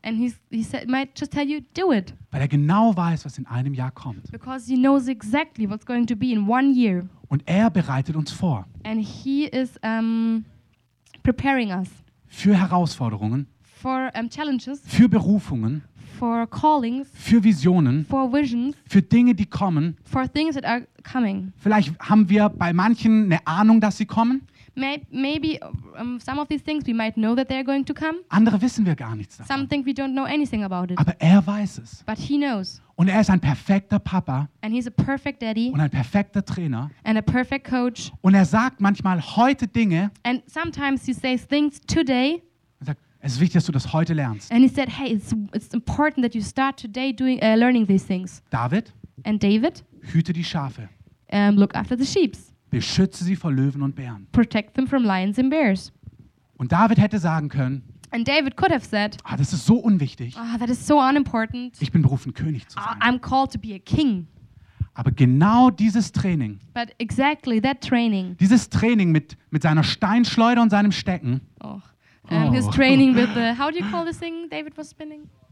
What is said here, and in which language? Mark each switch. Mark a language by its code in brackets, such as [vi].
[en] And he said, might just tell you, do it. [de] Weil er genau weiß, was in einem Jahr kommt. [en] Because he knows exactly what's going to be in one year. [de] Und er bereitet uns vor. [en] And he is preparing us. [de] Für Herausforderungen. [en] For challenges. [de] Für Berufungen. [en] For callings, [de] für Visionen, [en] for visions, [de] für Dinge, die kommen. [en] For things that are coming. [de] Vielleicht haben wir bei manchen eine Ahnung, dass sie kommen. [en] Maybe some of these things we might know that they are going to come. [de] Andere wissen wir gar nichts davon. [en] Some think we don't know anything about it. [de] Aber er weiß es. [en] But he knows. [de] Und er ist ein perfekter Papa. [en] And he's a perfect daddy. [de] Und ein perfekter Trainer. [en] And a perfect coach. [de] Und er sagt manchmal heute Dinge. [en] And sometimes he says things today. [de] Es ist wichtig, dass du das heute lernst. [en] And he said, hey, it's important that you start today doing learning these things. [de] David. [en] And David. [de] Hüte die Schafe. [en] Look after the sheep. [de] Beschütze sie vor Löwen und Bären. [en] Protect them from lions and bears. [de] Und David hätte sagen können. [en] And David could have said. [de] Ah, das ist so unwichtig. [en] Ah, that is so unimportant. [de] Ich bin berufen, König zu sein. [en] I'm called to be a king. [de] Aber genau dieses Training. [en] But exactly that training. [de] Dieses Training mit seiner Steinschleuder und seinem Stecken. [en] Oh. His training with the, how do you call this thing David was spinning?